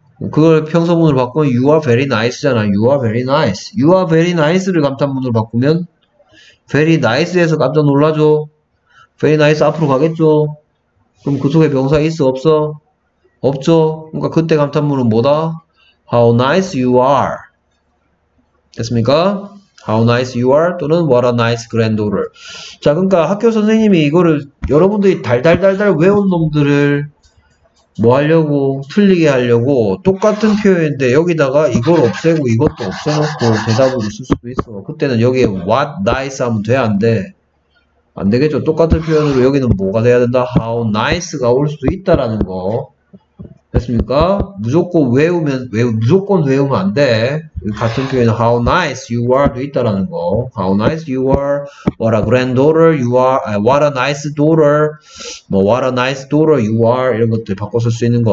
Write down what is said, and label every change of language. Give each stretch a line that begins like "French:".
Korean: 그걸 평소문으로 바꾸면
English: you are very nice잖아. You are very nice. You are very nice
Korean: 를 감탄문으로 바꾸면 very nice에서 깜짝 놀라죠. Very nice 앞으로 가겠죠. 그럼 그쪽에 명사 있어 없어? 없죠. 그러니까 그때 감탄문은 뭐다?
English: How nice you are.
Korean: 됐습니까?
English: How nice you are 또는 what a nice granddaughter.
Korean: 자, 그러니까 학교 선생님이 이거를 여러분들이 달달달달 외운 놈들을 뭐 하려고 틀리게 하려고 똑같은 표현인데 여기다가 이걸 없애고 이것도 없애놓고 대답으로 쓸 수도 있어. 그때는 여기에 what nice 하면 돼, 안 돼? 안 되겠죠. 똑같은 표현으로 여기는 뭐가 돼야 된다? How nice가 올 수도 있다라는 거. 됐습니까? 무조건 외우면 무조건 외우면 안 돼. 같은 표현
English: how nice you are
Korean: 도 있다라는 거.
English: How nice you are, what a granddaughter you are, what a nice daughter, 뭐 what a nice daughter you are
Korean: 이런 것들 바꿔 쓸수 있는 거.